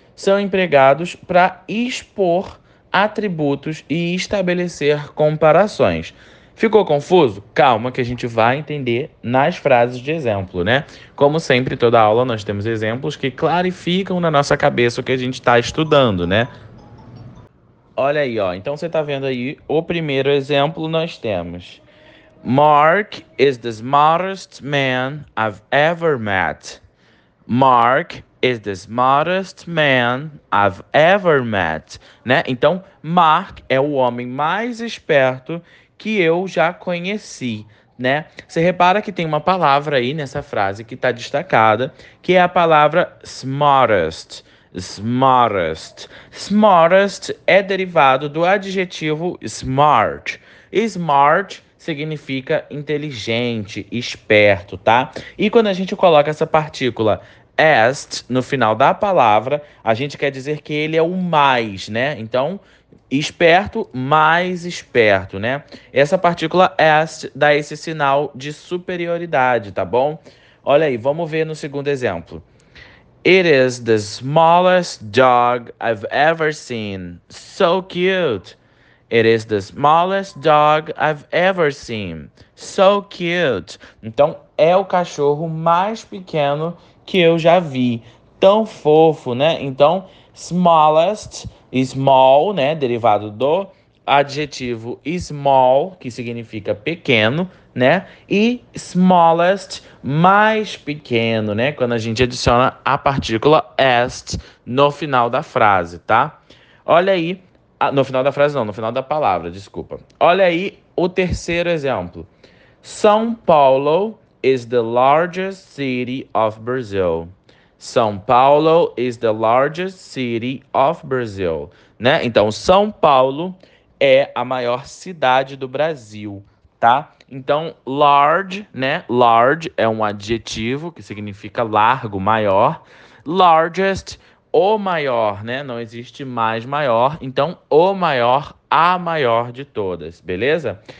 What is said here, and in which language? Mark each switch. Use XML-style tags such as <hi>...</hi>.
<pt>São empregados para expor atributos e estabelecer comparações. Ficou confuso? Calma, que a gente vai entender nas frases de exemplo, né? Como sempre, toda aula nós temos exemplos que clarificam na nossa cabeça o que a gente está estudando, né? Olha aí, ó. Então você está vendo aí o primeiro exemplo nós temos.</pt> <en>Mark is the smartest man I've ever met. Mark is the smartest man I've ever met, né?</en> <pt>Então, Mark é o homem mais esperto que eu já conheci, né? Você repara que tem uma palavra aí nessa frase que está destacada, que é a palavra smartest. Smartest. Smartest é derivado do adjetivo smart. Smart significa inteligente, esperto, tá? E quando a gente coloca essa partícula est no final da palavra, a gente quer dizer que ele é o mais, né? Então, esperto, mais esperto, né? Essa partícula est dá esse sinal de superioridade, tá bom? Olha aí, vamos ver no segundo exemplo.</pt> <en>It is the smallest dog I've ever seen. So cute. It is the smallest dog I've ever seen. So cute.</en> <pt>Então, é o cachorro mais pequeno que eu já vi. Tão fofo, né? Então, smallest, small, né? Derivado do adjetivo small, que significa pequeno, né? E smallest, mais pequeno, né? Quando a gente adiciona a partícula est no final da frase, tá? Olha aí, no final da frase não, no final da palavra, desculpa. Olha aí o terceiro exemplo.</pt> <en>São Paulo is the largest city of Brazil. São Paulo is the largest city of Brazil, né?</en> <pt>Então, São Paulo é a maior cidade do Brasil, tá? Então, large, né? Large é um adjetivo que significa largo, maior. Largest, o maior, né? Não existe mais maior. Então, o maior, a maior de todas, beleza?</pt>